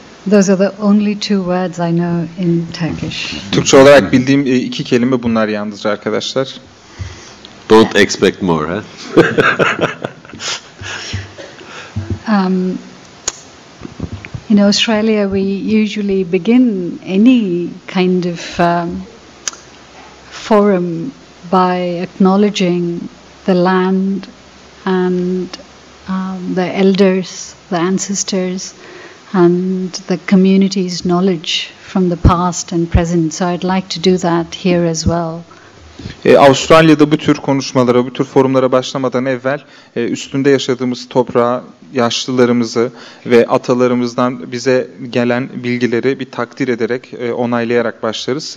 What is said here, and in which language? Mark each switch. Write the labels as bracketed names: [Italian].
[English] Those are the only two words I know in Turkish. [Turkish] Türkçe olarak bildiğim iki kelime bunlar yalnız arkadaşlar. [English] Don't expect more, huh? In Australia, we usually begin any kind of forum by acknowledging the land and the elders, the ancestors, and the community's knowledge from the past and present. So I'd like to do that here as well. [Turkish] Avustralya'da bu tür konuşmalara, bu tür forumlara başlamadan evvel üstünde yaşadığımız toprağı, yaşlılarımızı ve atalarımızdan bize gelen bilgileri bir takdir ederek, onaylayarak başlarız.